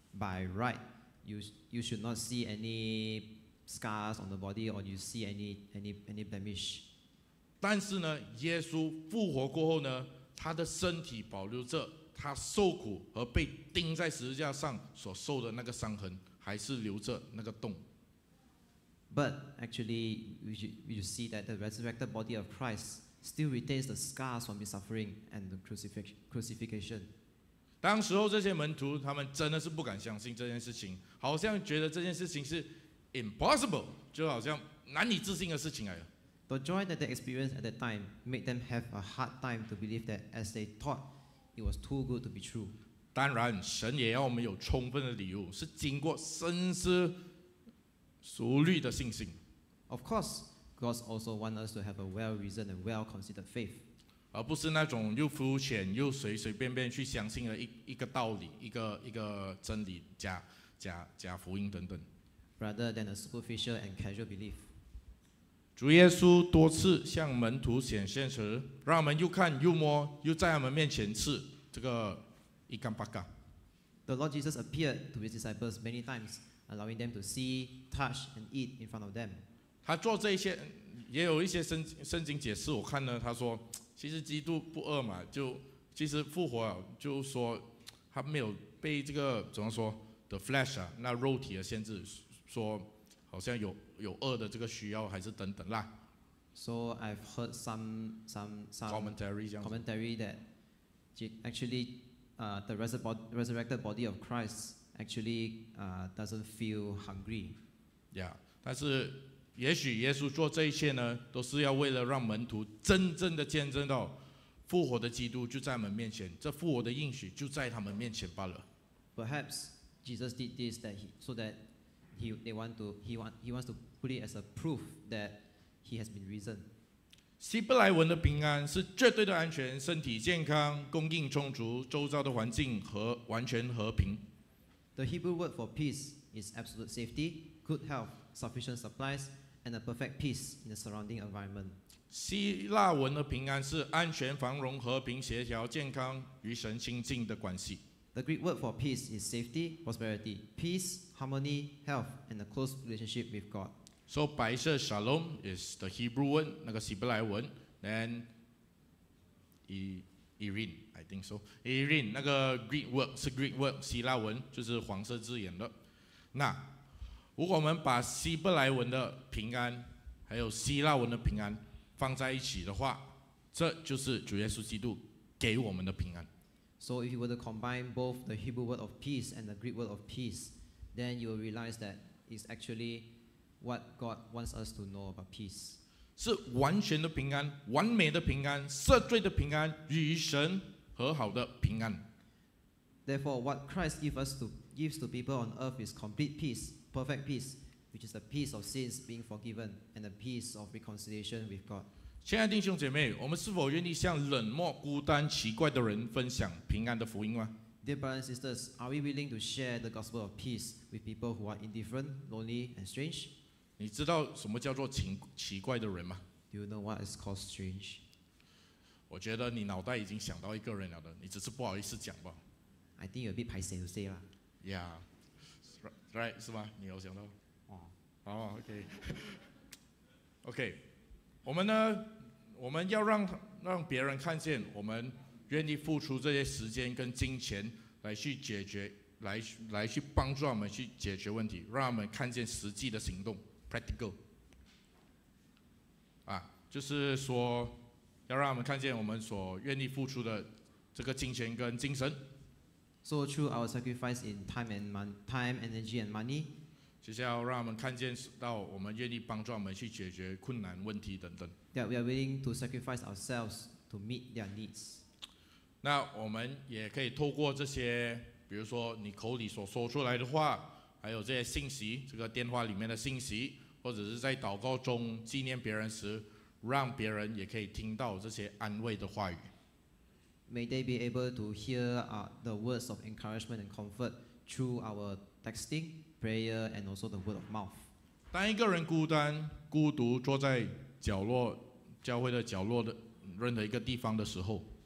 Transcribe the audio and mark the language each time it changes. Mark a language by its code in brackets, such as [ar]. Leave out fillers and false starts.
[en] By right, you should not see any. Scars on the body, or you see any blemish. [zh] 但是呢，耶稣复活过后呢，他的身体保留着他受苦和被钉在十字架上所受的那个伤痕，还是留着那个洞。 [en] But actually, you see that the resurrected body of Christ still retains the scars from his suffering and the crucifixion. [zh] 当时候这些门徒他们真的是不敢相信这件事情，好像觉得这件事情是。 [en] impossible， [zh] 就好像难以置信的事情来了。 [en] The joy that they experienced at that time made them have a hard time to believe that as they thought it was too good to be true。 [zh] 当然，神也要我们有充分的理由，是经过深思熟虑的信心。 [en] Of course, God also wants us to have a well-reasoned and well-considered faith。 [zh] 而不是那种又肤浅又随随便便去相信的一个道理，一个真理假福音等等。 [en] Rather than a superficial and casual belief。 [zh] 主耶稣多次向门徒显现时，让我们又看又摸，又在我们面前吃这个一干八干。 [en] The Lord Jesus appeared to his disciples many times, allowing them to see, touch, and eat in front of them. [zh] 他做这些，也有一些圣经解释。我看呢，他说，其实基督不饿嘛，就其实复活了，就说他没有被这个怎么说 ， [en] the flesh [zh] 啊，那肉体的限制，说好像有饿的这个需要还是等等啦。 [en] So I've heard some commentary, commentary that actually the resurrected body of Christ actually doesn't feel hungry. Yeah, [zh] 但是也许耶稣做这一切呢，都是要为了让门徒真正的见证到复活的基督就在他们面前，这复活的应许就在他们面前罢了。 [en] Perhaps Jesus did this that he wants to put it as a proof that he has been risen. [zh] 希伯来文的平安是绝对的安全，身体健康，供应充足，周遭的环境和完全和平。 [en] The Hebrew word for peace is absolute safety, good health, sufficient supplies, and a perfect peace in the surrounding environment. [zh] 希腊文的平安是安全、繁荣、和平、协调、健康与神亲近的关系。 [en] The Greek word for peace is safety, prosperity, peace, harmony, health, and a close relationship with God. So, [zh] 白色 [en] shalom is the Hebrew word, [zh] 那个希伯来文 [en] and Irene, I think so. [zh] Irene, 那个 [en] Greek word [zh] 是 Greek word, 希腊文就是黄色字眼的。那如果我们把希伯来文的平安还有希腊文的平安放在一起的话，这就是主耶稣基督给我们的平安。 [en] So if you were to combine both the Hebrew word of peace and the Greek word of peace, then you will realize that it's actually what God wants us to know about peace. [zh] 是完全的平安，完美的平安，赦罪的平安，与神和好的平安。 [en] Therefore, what Christ gives to people on earth is complete peace, perfect peace, which is the peace of sins being forgiven and the peace of reconciliation with God. [zh] 亲爱的弟兄姐妹，我们是否愿意向冷漠、孤单、奇怪的人分享平安的福音吗 [en] ？Dear brothers and sisters, are we willing to share the gospel of peace with people who are indifferent, lonely, and strange? [zh] 你知道什么叫做奇怪的人吗 [en] ？Do you know what is called strange? [zh] 我觉得你脑袋已经想到一个人了的，你只是不好意思讲吧。 [en] I think you're a bit paiseh to say lah. Yeah, right, [zh] 是吗？你有想到？哦，哦 ，OK。我们呢？我们要让别人看见，我们愿意付出这些时间跟金钱来去解决，来去帮助我们去解决问题，让我们看见实际的行动 ， [en] practical。 [zh] 啊，就是说要让我们看见我们所愿意付出的这个金钱跟精神。 [en] So through our sacrifice in time, energy, and money. [zh] 就是要让我们看见到我们愿意帮助我们去解决困难问题等等。 [en] That we are willing to sacrifice ourselves to meet their needs. [zh] 那我们也可以透过这些，比如说你口里所说出来的话，还有这些信息，这个电话里面的信息，或者是在祷告中纪念别人时，让别人也可以听到这些安慰的话语。 [en] May they be able to hear the words of encouragement and comfort through our texting. Prayer and also the word of mouth. [zh] 当一个人孤单、孤独坐在角落、教会的角落的任何一个地方的时候